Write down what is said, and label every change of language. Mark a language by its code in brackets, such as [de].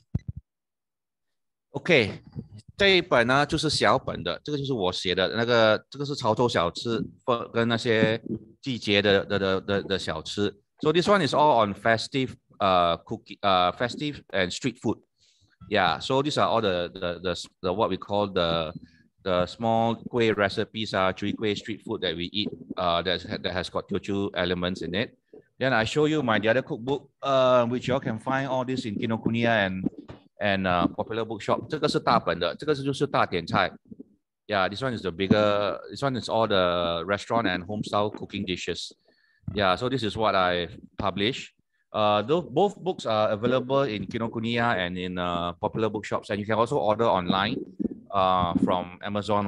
[zh] 那个我给你们看，你等一下啊。可能这边不懂有没有，我再找一个。OK， 这一本呢就是小本的，这个就是我写的那个，这个是潮州小吃跟那些季节的小吃。 [en] So this one is all on festive. Festive and street food. Yeah, so these are all the what we call the small kuih recipes, chui kuih street food that we eat, that has got Teochew elements in it. Then I show you my the other cookbook, which you all can find all this in Kinokuniya and popular bookshop. [zh] 这个是大本的，这个就是大点菜. [en] Yeah, this one is the bigger, this one is all the restaurant and home style cooking dishes. Yeah, so this is what I publish. Both books are available in Kinokuniya and in popular bookshops, and you can also order online from Amazon.